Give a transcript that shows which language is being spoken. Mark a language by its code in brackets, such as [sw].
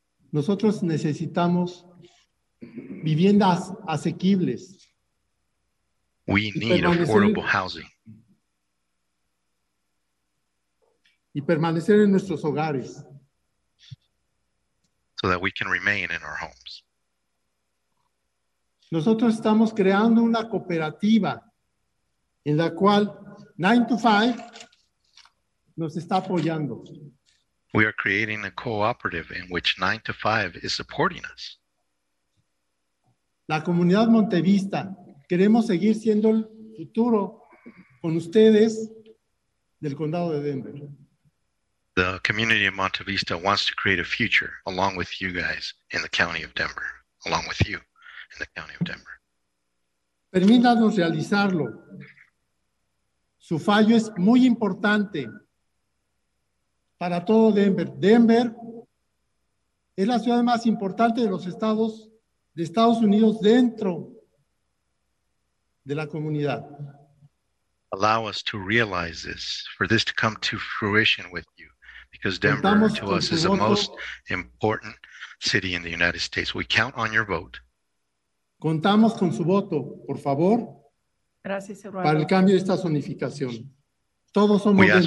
[es] Nosotros necesitamos viviendas asequibles. [en] We need affordable housing. [es] Y permanecer en nuestros hogares. [en] So that we can remain in our homes. [es] Nosotros estamos creando una cooperativa en la cual 9to5 nos está apoyando. [en] We are creating a cooperative in which 9to5 is supporting us. [es] La comunidad Montevista, queremos seguir siendo el futuro con ustedes del condado de Denver. [en] The community of Montevista wants to create a future along with you guys in the county of Denver, along with you in the county of Denver. [es] Permítanos realizarlo. Su fallo es muy importante para todo Denver. Denver es la ciudad más importante de los estados de Estados Unidos dentro de la comunidad. [en] Allow us to realize this, for this to come to fruition with you, because Denver [es] contamos [en] to us is the most important city in the United States. We count on your vote. [es] Contamos con su voto, por favor. Gracias, Eduardo. Para el cambio de esta zonificación. Todos somos